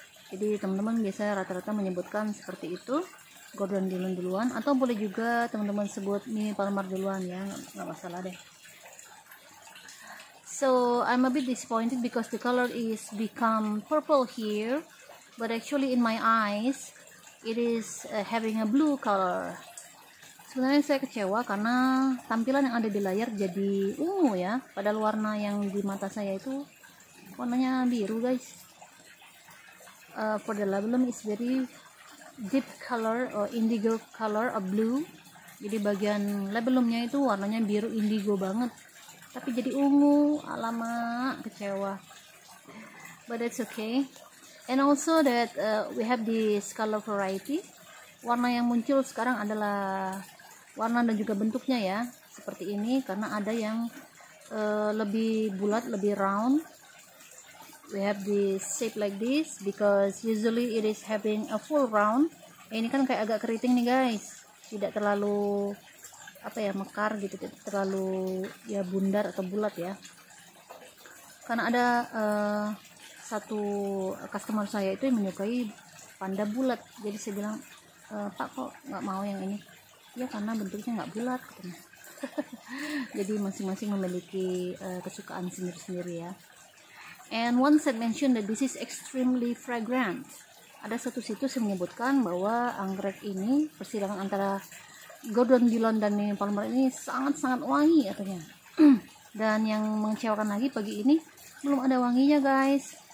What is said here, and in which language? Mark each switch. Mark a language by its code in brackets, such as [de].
[id] Jadi teman-teman biasanya rata-rata menyebutkan seperti itu, Gordon Dillon duluan, atau boleh juga teman-teman sebut Mini Palmore duluan ya, nggak masalah deh. [en] So I'm a bit disappointed because the color is become purple here, but actually in my eyes it is having a blue color. [id] Sebenarnya saya kecewa karena tampilan yang ada di layar jadi ungu ya, padahal warna yang di mata saya itu warnanya biru guys. [en] For the labellum is very deep color or indigo color of blue. [id] Jadi bagian labellumnya itu warnanya biru indigo banget, tapi jadi ungu. Alamak, kecewa. [en] But that's okay. And also that we have this color variety. [id] Warna yang muncul sekarang adalah warna dan juga bentuknya ya, seperti ini, karena ada yang lebih bulat, lebih round. [en] We have this shape like this because usually it is having a full round. [id] Ini kan kayak agak keriting nih guys, tidak terlalu apa ya, mekar gitu, tidak terlalu ya bundar atau bulat ya. Karena ada satu customer saya itu yang menyukai panda bulat, jadi saya bilang, Pak kok nggak mau yang ini? Ya karena bentuknya nggak bulat. Jadi masing-masing memiliki kesukaan sendiri-sendiri ya. [en] And one said mention that this is extremely fragrant. [id] Ada satu situs yang menyebutkan bahwa anggrek ini, persilangan antara Gordon Dillon dan Mini Palmore ini sangat-sangat wangi katanya. Dan yang mengecewakan lagi pagi ini belum ada wanginya guys.